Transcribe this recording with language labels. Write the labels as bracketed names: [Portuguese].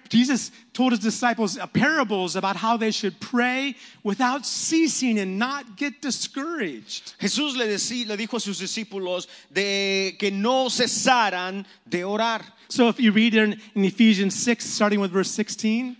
[English] Jesus told his disciples parables about how they should pray without ceasing and not get discouraged. [Spanish] Jesús le dijo a sus discípulos de que no cesaran de orar. [English] So if you read in Ephesians 6, starting with verse 16.